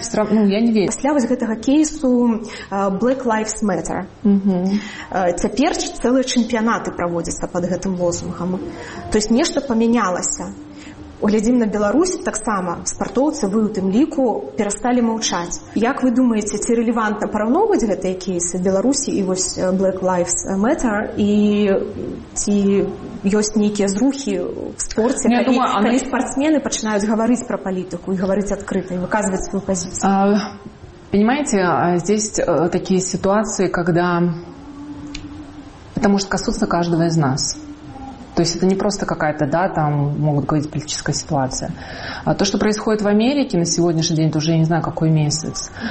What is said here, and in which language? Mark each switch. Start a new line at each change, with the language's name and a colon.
Russian: Все равно, я не верю. После этого кейсу Black Lives Matter. Теперь целые чемпионаты проводятся под этим лозунгом. То есть нечто поменялось. Глядим на Беларусь, так само спартовцы,
Belarusian: вы у тым ліку,
Russian: перестали молчать. Як вы думаете,
Belarusian: ці релевантно параўноўваць гэтыя кейсы Беларусі і вось Black Lives Matter, і ці ёсць некія зрухі в спорце, калі спортсмены пачынаюць гаварыць пра палітыку і гаварыць адкрыта і выказваць сваю пазіцію?
Russian: Понимаете, здесь такие ситуации, когда это может коснуться каждого из нас. То есть это не просто какая-то, да, там могут говорить политическая ситуация. А то, что происходит в Америке на сегодняшний день, это уже я не знаю, какой месяц.